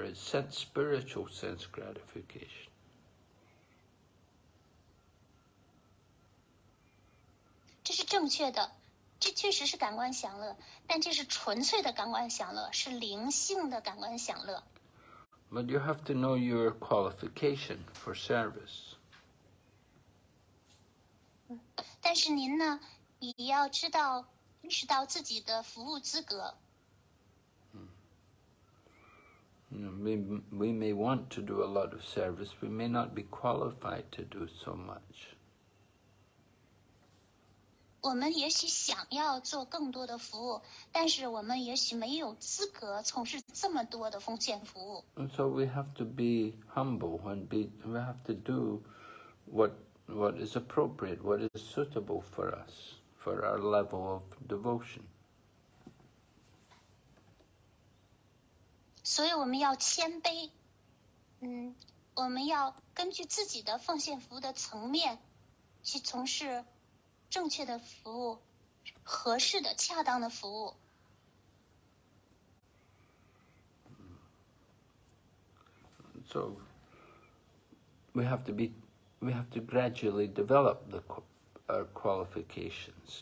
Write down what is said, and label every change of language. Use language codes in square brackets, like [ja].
[en] It's sense, spiritual sense gratification. [zh] 这是正确的，这确实是感官享乐，但这是纯粹的感官享乐，是灵性的感官享乐。 [en] But you have to know your qualification for service. [zh] 但是您呢，也要知道认识到自己的服务资格。 [en] We may want to do a lot of service, we may not be qualified to do so much. [zh] 我们也许想要做更多的服务，但是我们也许没有资格从事这么多的奉献服务。 [en] And so we have to be humble and we have to do what is appropriate, what is suitable for us, for our level of devotion. [zh] 所以我们要谦卑，我们要根据自己的奉献服务的层面去从事正确的服务，合适的、恰当的服务。 [en] So, we have to gradually develop our qualifications.